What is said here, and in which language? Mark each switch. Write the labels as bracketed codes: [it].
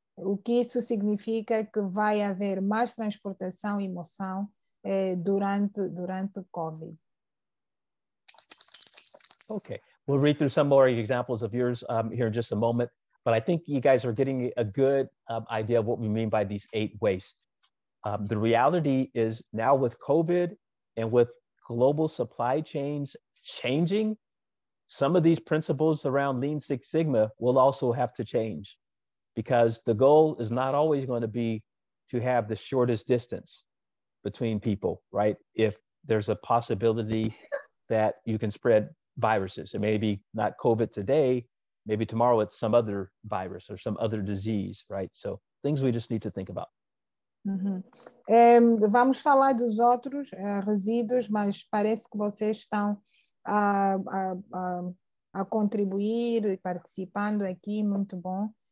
[pt] O que isso significa é que vai haver mais transportação e moção durante COVID. [en] Okay. We'll read through some more examples of yours here in just a moment, but I think you guys are getting a good idea of what we mean by these eight wastes. The reality is now with COVID and with global supply chains changing, some of these principles around Lean Six Sigma will also have to change, because the goal is not always going to be to have the shortest distance between people, right? If there's a possibility that you can spread viruses. It may be not COVID today, maybe tomorrow it's some other virus or some other disease, right? So things we just need to think about. Uhum. [pt] Vamos falar dos outros resíduos, mas parece que vocês estão a contribuir e participando aqui, muito bom.